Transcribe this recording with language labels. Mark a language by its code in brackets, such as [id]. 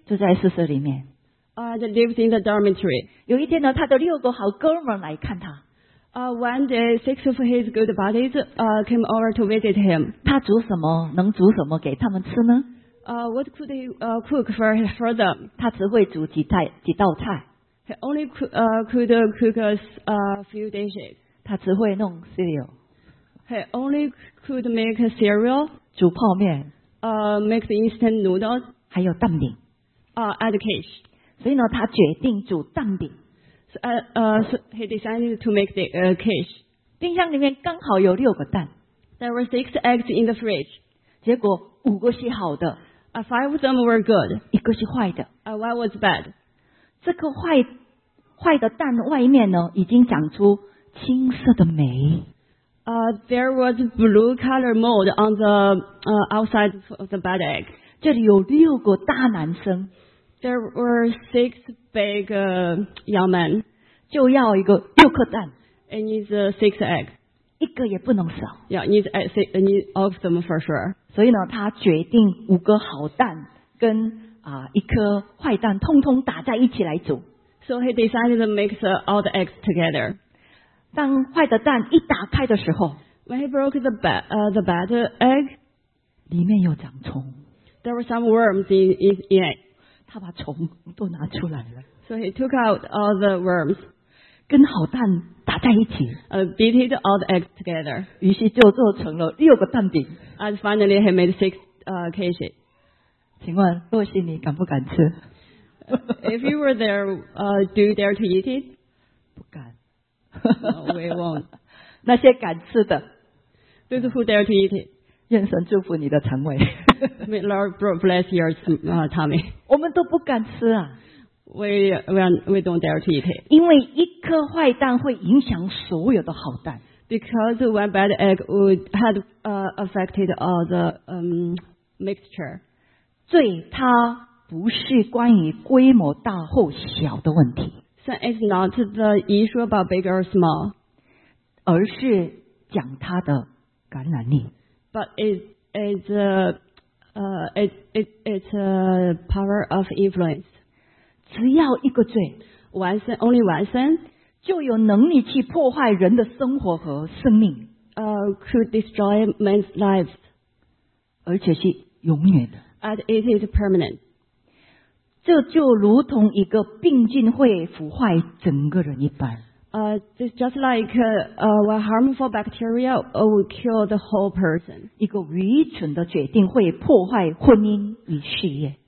[zh] 住在宿舍里面。 [en] He lives in the dormitory. [zh] 有一天呢，他的六个好哥们来看他。 [en] One day, six of his good buddies came over to visit him. [zh] 他煮什么，能煮什么给他们吃呢？ [en] What could he cook for them? [zh] 他只会煮几道菜。 [en] He only could cook us a few dishes. [zh] 他只会弄 cereal. [en] He only could make cereal. [zh] 煮泡面。 [en] Make the instant noodles. [zh] 还有蛋饼。 [en] Add cake. [zh] 所以呢，他决定煮蛋饼。 [en] So he decided to make the cake. [zh] 冰箱里面刚好有六个蛋。 [en] There were six eggs in the fridge. [zh] 结果五个是好的 [en] ，five of them were good， [zh] 一个是坏的 [en] ，one was bad。 [zh] 这个坏的蛋外面呢，已经长出青色的霉。 [en] There was blue color mold on the outside of the bad egg。 [zh] 这里有六个大男生 [en] ，there were six big young men。 [zh] 就要一个六颗蛋 [en] ，and it's six eggs。 [zh] 一个也不能少。 [en] Yeah, need of them for sure. [zh] 所以呢，他决定五个好蛋跟一颗坏蛋通通打在一起来煮。 [en] So he decided to mix all the eggs together. [zh] 当坏的蛋一打开的时候 [en] ，When he broke the bad egg, [zh] 里面有长虫。 [en] There were some worms in it. [zh] 他把虫都拿出来了。 [en] So he took out all the worms. [zh] 跟好蛋打在一起 [en] beated all the eggs together. [zh] 于是就做成了六个蛋饼 [en] And finally he made six cakes. [zh] 请问若曦你敢不敢吃 [en] If you were there, do you dare to eat it? [zh] 不敢 [en] No, we won't. [zh] 那些敢吃的 [en] Those who dare to eat it. [zh] 愿神祝福你的肠胃 [en] May Lord bless your tummy. [zh] 我们都不敢吃啊 [en] We don't dare to eat it. [zh] 因为一颗坏蛋会影响所有的好蛋。 [en] Because one bad egg would had affected all the mixture. [zh] 罪它不是关于规模大或小的问题。 [en] So it's not the issue about big or small. [zh] 而是讲它的感染力。 [en] But it's a power of influence. [zh] 只要一个罪 [en] one sin, only one sin, [zh] 就有能力去破坏人的生活和生命 [en] could destroy men's lives, [zh] 而且是永远的 [en] and it is permanent. [zh] 这就如同一个病菌会腐坏整个人一般 [en] it's just like a harmful bacteria will kill the whole person. [zh] 一个愚蠢的决定会破坏婚姻与事业